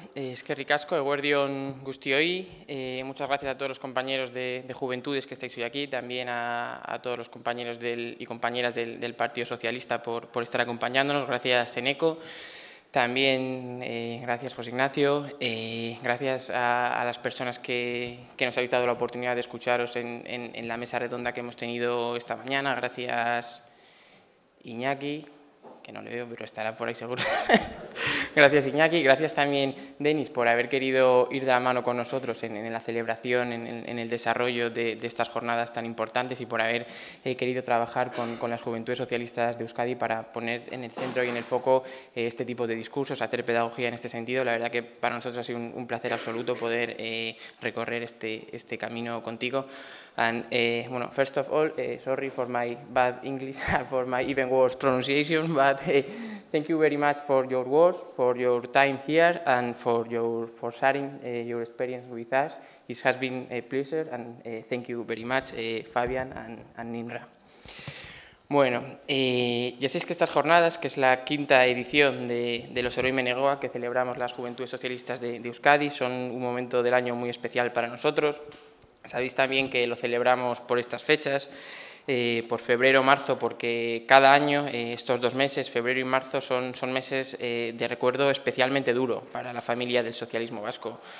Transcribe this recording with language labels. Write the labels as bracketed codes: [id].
[eu] Eskerrik asko, eguerdion guztioi. [es] Muchas gracias a todos los compañeros de Juventudes que estáis hoy aquí, también a todos los compañeros y compañeras del Partido Socialista por estar acompañándonos. Gracias, Eneko. También gracias, José Ignacio. Gracias a las personas que nos habéis dado la oportunidad de escucharos en la mesa redonda que hemos tenido esta mañana. Gracias, Iñaki, que no le veo, pero estará por ahí seguro. Gracias, Iñaki. Gracias también, Denis, por haber querido ir de la mano con nosotros en la celebración, en el desarrollo de estas jornadas tan importantes y por haber querido trabajar con las Juventudes Socialistas de Euskadi para poner en el centro y en el foco este tipo de discursos, hacer pedagogía en este sentido. La verdad que para nosotros ha sido un placer absoluto poder recorrer este camino contigo. [en] And, bueno, first of all, sorry for my bad English, for my even worse pronunciation, but thank you very much for your words, for your time here, and for sharing your experience with us. It has been a pleasure, and thank you very much, Fabian and Nimra. [es] Bueno, ya sabéis que estas jornadas, que es la quinta edición de los Heroi Menegoa que celebramos las Juventudes Socialistas de Euskadi, son un momento del año muy especial para nosotros. Sabéis también que lo celebramos por estas fechas, por febrero o marzo, porque cada año, estos dos meses, febrero y marzo, son meses de recuerdo especialmente duro para la familia del socialismo vasco.